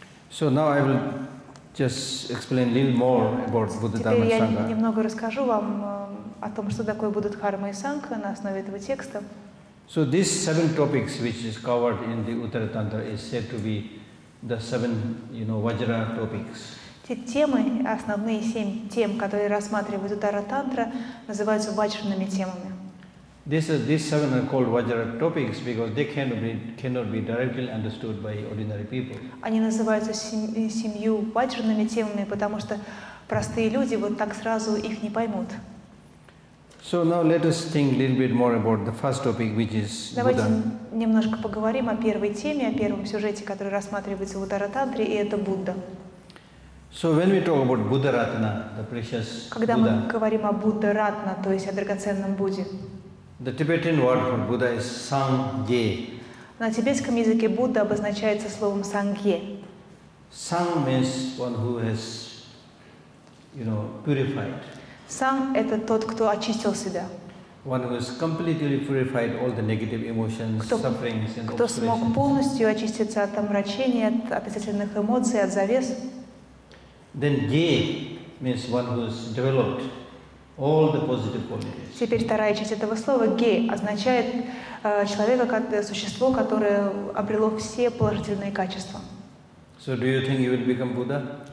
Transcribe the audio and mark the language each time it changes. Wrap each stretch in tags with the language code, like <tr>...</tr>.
<en>So now I will just explain a little more about Buddha Dharma and Sangha.</en> <ru>Теперь я немного расскажу вам о том, что такое Будда Дхарма и Сангха на основе этого текста.</ru> <en>So these seven topics, which is covered in the Uttara Tantra, is said to be the seven, you know, Vajra topics.</en> <ru>Темы, основные семь тем, которые рассматривают Уттара Тантра, называются ваджрными темами.</ru> <en>These seven are called Vajra topics because they cannot be directly understood by ordinary people.</en> <ru>Они называются семью ваджрными темами, потому что простые люди вот так сразу их не поймут.</ru> <en>So now let us think a little bit more about the first topic, which is Buddha.</en> <ru>Давайте немножко поговорим о первой теме, о первом сюжете, который рассматривается в Уттаратантре, и это Будда.</ru> <en>So when we talk about Buddha Ratna, the precious Buddha.</en> <ru>Когда мы говорим о Будда Ратна, то есть о драгоценном Будде.</ru> <en>The Tibetan word for Buddha is Sangye.</en> <ru>На тибетском языке Будда обозначается словом Sangye.</ru> <en>Sang means one who has, you know, purified.</en> <ru>Sang – это тот, кто очистил себя.</ru> <en>One who has completely purified all the negative emotions, sufferings, and obstructions.</en> <ru>Кто смог полностью очиститься от омрачения, от отрицательных эмоций, от завес.</ru> <en>Then Ye means one who has developed all the positive qualities.</en> <ru>Теперь вторая часть этого слова Ye означает человека, как существо, которое обрело все положительные качества.</ru> <en>So do you think you will become Buddha?</en>